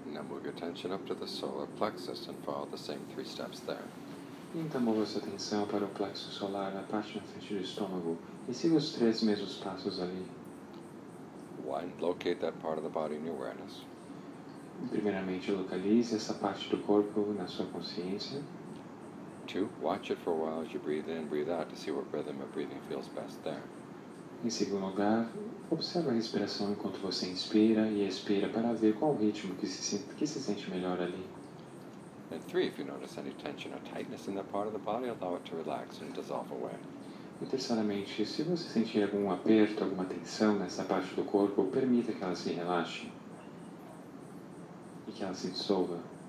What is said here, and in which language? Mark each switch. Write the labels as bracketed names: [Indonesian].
[English] Move your attention up to the solar plexus and follow the same three steps there. [Portuguese] Então, move sua atenção para o plexo solar, na parte na frente do estômago, e siga os três mesmos passos ali. [English] One, locate that part of the body in your awareness. [Portuguese] Primeiramente, localize essa parte do corpo na sua consciência. [English] Two, watch it for a while as you breathe in, breathe out, to see what rhythm of breathing feels best there. [Portuguese] Em segundo lugar, observe a respiração enquanto você inspira e expira para ver qual o ritmo que se sente melhor ali. [English] And three, if you notice any tension or tightness in that part of the body, allow it to relax and dissolve away. [Portuguese] E terceiramente, se você sentir algum aperto, alguma tensão nessa parte do corpo, permita que ela se relaxe e que ela se dissolva.